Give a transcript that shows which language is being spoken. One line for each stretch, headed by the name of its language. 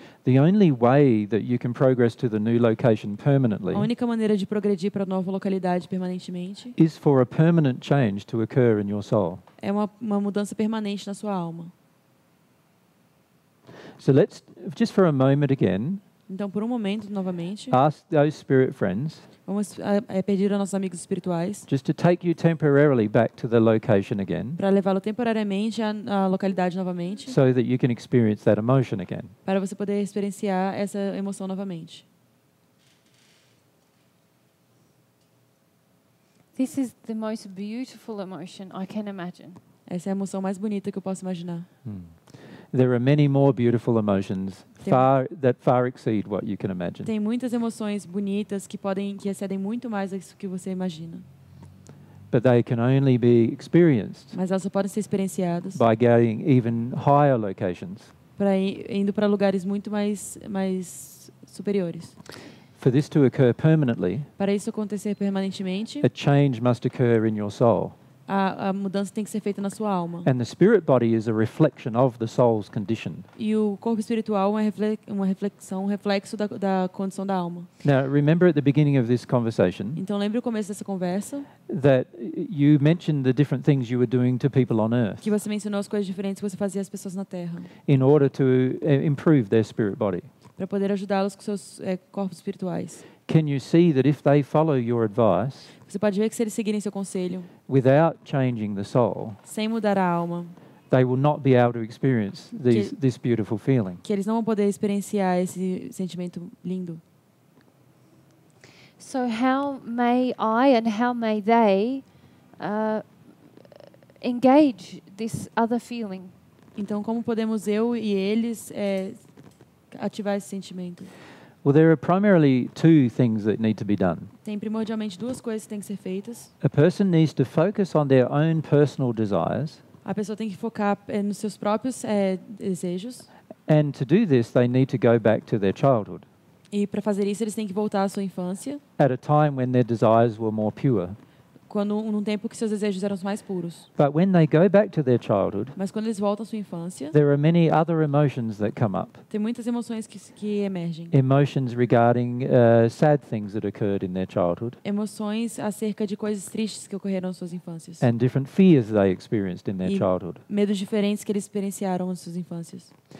English: The only way that you can progress to the new location permanently.
Portuguese: A única maneira de progredir para a nova localidade permanentemente.
English: Is for a permanent change to occur in your soul.
Portuguese: É uma mudança permanente na sua alma.
English: So let's just for a moment again.
Portuguese: Então por um momento novamente.
English: Ask those spirit friends.
Portuguese: Vamos pedir aos nossos amigos espirituais.
English: Just to take you temporarily back to the location again.
Portuguese: Para levá-lo temporariamente à localidade novamente.
English: So that you can experience that emotion again.
Portuguese: Para você poder experienciar essa emoção novamente.
English: This is the most beautiful emotion I can imagine.
Portuguese: Essa é a emoção mais bonita que eu posso imaginar.
English: There are many more beautiful emotions that far exceed what you can imagine.
Portuguese: Tem muitas emoções bonitas que excedem muito mais do que você imagina.
English: But they can only be experienced.
Portuguese: Mas elas só podem ser experienciadas.
English: By going even higher locations.
Portuguese: Para indo para lugares muito mais superiores.
English: For this to occur permanently.
Portuguese: Para isso acontecer permanentemente.
English: A change must occur in your soul.
Portuguese: A mudança tem que ser feita na sua alma.
English: And the spirit body is a reflection of the soul's condition.
Portuguese: E o corpo espiritual é um reflexo da condição da alma.
English: Now, remember at the beginning of this conversation.
Portuguese: Então lembre o começo dessa conversa.
English: That you mentioned the different things you were doing to people on earth.
Portuguese: Que você mencionou as coisas diferentes que você fazia às pessoas na terra.
English: In order to improve their spirit body.
Portuguese: Para poder ajudá-los com seus corpos espirituais.
English: Can you see that if they follow your advice?
Portuguese: Você pode ver que se eles seguirem seu conselho.
English: Without changing the soul.
Portuguese: Sem mudar a alma.
English: They will not be able to experience this beautiful feeling.
Portuguese: Que eles não vão poder experienciar esse sentimento lindo.
English: So how may I and how may they engage this other feeling?
Portuguese: Então como podemos eu e eles ativar esse sentimento?
English: Well, there are primarily two things that need to be done.
Portuguese: Tem primordialmente duas coisas que têm que ser feitas.
English: A person needs to focus on their own personal desires.
Portuguese: A pessoa tem que focar nos seus próprios desejos.
English: And to do this, they need to go back to their childhood.
Portuguese: E para fazer isso, eles têm que voltar à sua infância.
English: At a time when their desires were more pure.
Portuguese: Quando num tempo que seus desejos eram os mais puros.
English: But when they go back to their childhood,
Portuguese: mas quando eles voltam à sua infância,
English: there are many other emotions that come up.
Portuguese: Tem muitas emoções que emergem.
English: Emotions regarding sad things that occurred in their childhood.
Portuguese: Emoções acerca de coisas tristes que ocorreram nas suas infâncias.
English: And different fears they experienced in their childhood.
Portuguese: Medos diferentes que eles experienciaram nas suas infâncias.